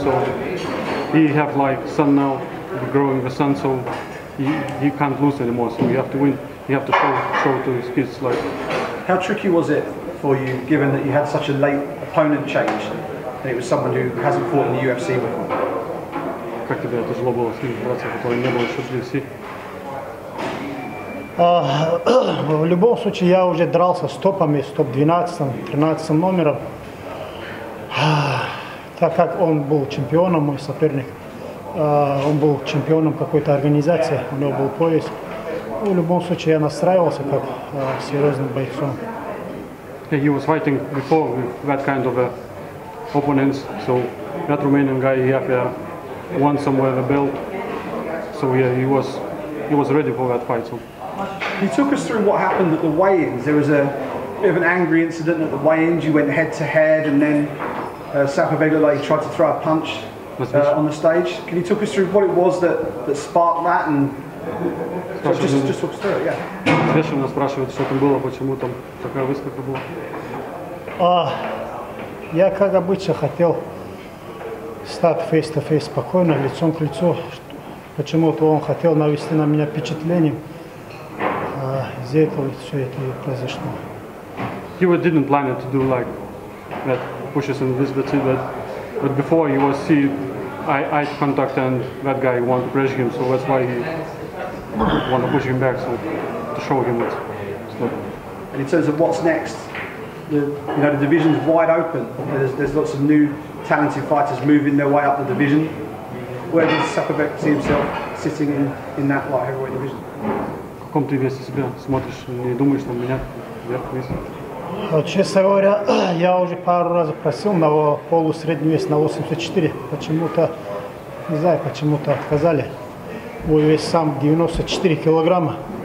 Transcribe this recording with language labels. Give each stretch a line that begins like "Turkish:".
English: So he have like son now, growing the son, so he can't lose anymore. So you have to win. You have to show to his kids like. How tricky was it for you, given that you had such a late opponent change, and it was someone who hasn't fought in the UFC before?
Russian: Как тебе это зло было с ним драться, который не был еще в UFC? В любом случае, я уже дрался с топами, с топ-12, 13 номером. Так как он был чемпионом, мой соперник, он был чемпионом какой-то организации, у него был пояс. В любом случае, я настраивался как серьезным бойцом.
English: Yeah, he was fighting before with that kind of opponents, so that Romanian guy, he have won somewhere the belt, so yeah, he was ready for that fight. So. He took us through what happened at the weigh-ins. There was a bit of an angry incident at the weigh-ins. You went head-to-head, and then Sapovega like, tried to throw a punch on the stage. Can you talk us through what it was that sparked that? And just talk us through it, yeah.
Russian: Вечером нас спрашивают, что там было, почему там такая выставка была. Я, как обычно, хотел стать
English: face-to-face
Russian: спокойно, лицом к лицу. Почему-то он хотел навести на меня впечатление. Из-за этого все это и произошло.
English: He didn't plan it to do like that pushes and this, but before he was see eye contact and that guy wanted to pressure him, so that's why he wanted to push him back, so to show him it. So. And in terms of what's next, the division's wide open. There's lots of new talented fighters moving their way up the division. Where does Sapovec see himself sitting in that light heavyweight division?
Russian: В каком ты весе себя смотришь, не думаешь на меня, вверх, вниз? Честно говоря, я уже пару раз просил на полусредний вес, на 84. Почему-то, не знаю, почему-то отказали. Мой вес сам 94 килограмма.